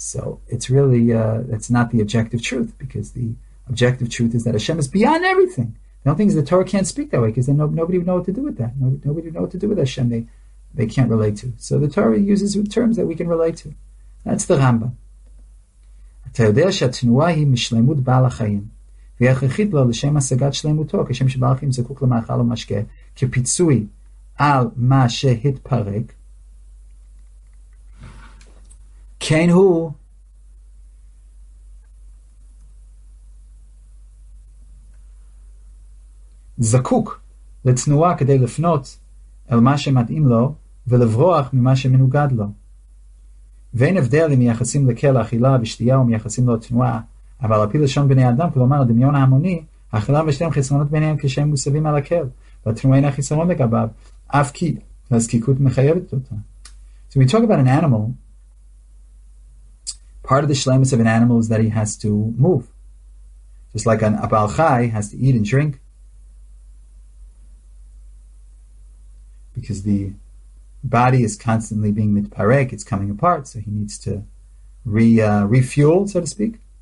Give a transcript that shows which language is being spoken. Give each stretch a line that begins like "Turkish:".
English: So it's really, that's not the objective truth, because the objective truth is that Hashem is beyond everything. The only thing is the Torah can't speak that way, because then nobody would know what to do with that. Nobody would know what to do with Hashem they can't relate to. So the Torah uses terms that we can relate to. That's the Rambam.
Hebrew: Ata yodea shatnua hi mishlemut ba'al ha'chayim. והכרחית לו לשם השגת שלמותו, כשם שבעל חיים זקוק למאכל ומשקה, כפיצוי על מה שהתפרק, כן הוא, זקוק לתנועה כדי לפנות אל מה שמתאים לו, ולברוח ממה שמנוגד לו. ואין הבדל אם מייחסים לכל אכילה ושתייה ומייחסים לו תנועה, אבל הפיל לשון בני אדם, כלומר, הדמיון ההמוני, האכילה ושתיהם חסרונות ביניהם כשהם מוסבים על הכל, והתנועה אינה חסרון לגביו, אף כי הזקיקות מחייבת אותו.
English: So we talk about an animal, part of the shleimus of an animal is that he has to move. Just like a baal chai has to eat and drink, because the body is constantly being mitparek, it's coming apart, so he needs to refuel, so to speak.